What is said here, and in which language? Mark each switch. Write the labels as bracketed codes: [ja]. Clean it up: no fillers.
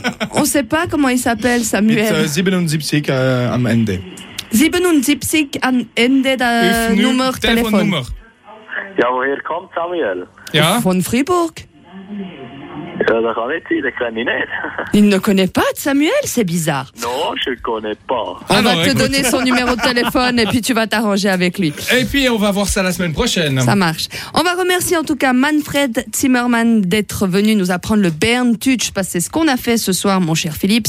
[fr] On ne sait pas comment il s'appelle, Samuel. [de] Mit 77 am Ende. 77 am Ende der Nummer, Telefonnummer. Ja, woher kommt Samuel? Ja. Von Fribourg? Ja, das kann nicht sein, das kenne ich nicht. [fr] Il ne connaît pas Samuel, c'est bizarre. Non, je ne connais pas. On va te donner son numéro de téléphone et puis tu vas t'arranger avec lui. Et puis on va voir ça la semaine prochaine. Ça marche. On va remercier en tout cas Manfred Zimmermann d'être venu nous apprendre le Berndeutsch, parce que c'est ce qu'on a fait ce soir, mon cher Philippe.